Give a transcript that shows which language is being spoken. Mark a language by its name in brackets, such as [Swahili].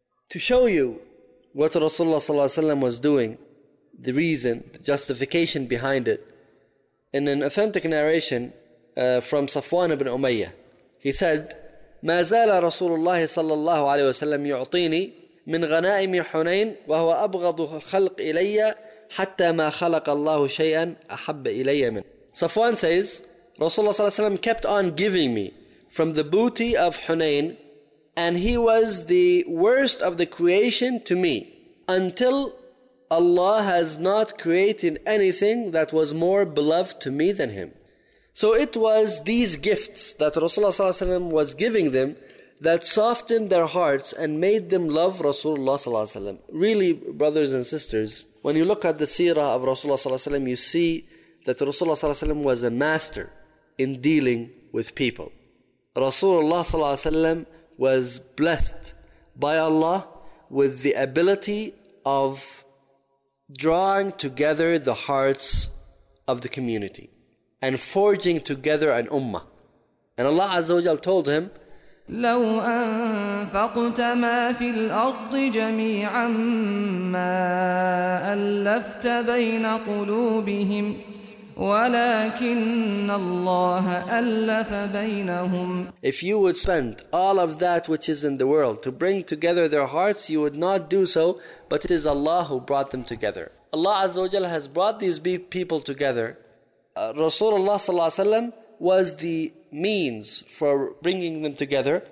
[English] To show you what Rasulullah sallallahu alaihi wasallam was doing, the reason, the justification behind it, in an authentic narration from Safwan ibn Umayyah, he said, [Arabic] "Ma zala Rasulullah sallallahu alaihi wasallam yu'tini من غنائم حنين وهو أبغض الخلق إلي حتى ما خلق الله شيئا أحب إلي منه. [English] Safwan says, Rasulullah صلى الله عليه وسلم kept on giving me from the booty of Hunayn, and he was the worst of the creation to me until Allah has not created anything that was more beloved to me than him. So it was these gifts that Rasulullah صلى الله عليه وسلم was giving them that softened their hearts and made them love Rasulullah صلى الله عليه وسلم. Really, brothers and sisters, when you look at the seerah of Rasulullah صلى الله عليه وسلم, you see that Rasulullah صلى الله عليه وسلم was a master in dealing with people. Rasulullah صلى الله عليه وسلم was blessed by Allah with the ability of drawing together the hearts of the community and forging together an ummah. And Allah Azza wa Jalla told him, [Arabic] لو أنفقت ما في الأرض جميعا ما ألفت بين قلوبهم وَلَكِنَّ اللَّهَ أَلَّفَ بَيْنَهُمْ. [English] If you would spend all of that which is in the world to bring together their hearts, you would not do so, but it is Allah who brought them together. Allah Azza wa Jalla has brought these people together. Rasulullah صلى الله عليه وسلم was the means for bringing them together.